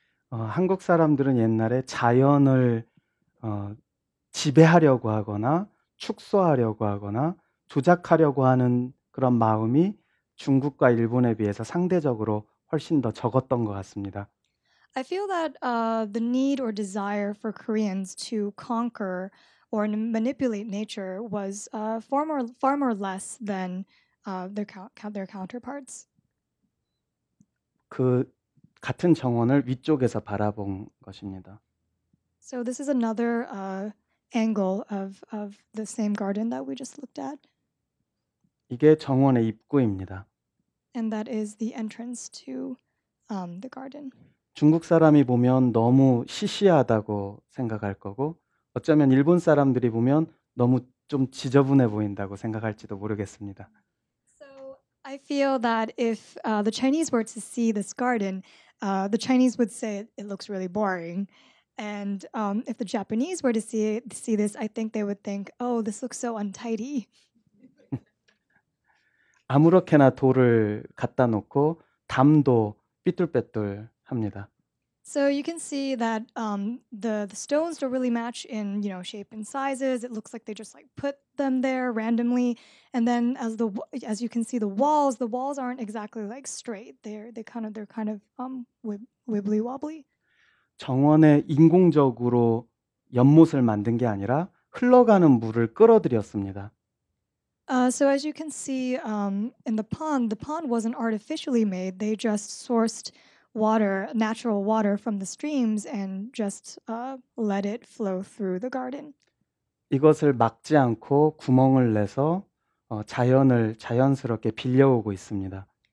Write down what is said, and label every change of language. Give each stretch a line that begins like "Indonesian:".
Korean: 한국 사람들은 옛날에 자연을 지배하려고 하거나 축소하려고 하거나 조작하려고 하는 그런 마음이 중국과 일본에 비해서 상대적으로 훨씬 더 적었던 것 같습니다.
English: I feel that the need or desire for Koreans to conquer or manipulate nature was far more less than their counterparts.
Korean: 그 같은 정원을 위쪽에서 바라본 것입니다.
English: So this is another angle of the same garden that we just looked at.
Korean: 이게 정원의 입구입니다.
English: And that is the entrance to the garden.
Korean: 중국 사람이 보면 너무 시시하다고 생각할 거고 어쩌면 일본 사람들이 보면 너무 좀 지저분해 보인다고 생각할지도 모르겠습니다.
English: So I feel that if the Chinese were to see this garden, the Chinese would say it looks really boring. And if the Japanese were to see this, I think they would think, oh, this looks so untidy.
Korean: 아무렇게나 돌을 갖다 놓고 담도 삐뚤빼뚤 합니다.
English: So you can see that the stones don't really match in, you know, shape and sizes. It looks like they just like put them there randomly. And then as you can see the walls aren't exactly like straight. They're kind of wibbly wobbly.
Korean: 정원에 인공적으로 연못을 만든 게 아니라 흘러가는 물을 끌어들였습니다.
English: So as you can see in the pond wasn't artificially made. They just sourced water, natural water from the streams and just let it flow through the garden.
Korean: 이것을 막지 않고 구멍을 내서 자연을 자연스럽게 빌려오고 있습니다.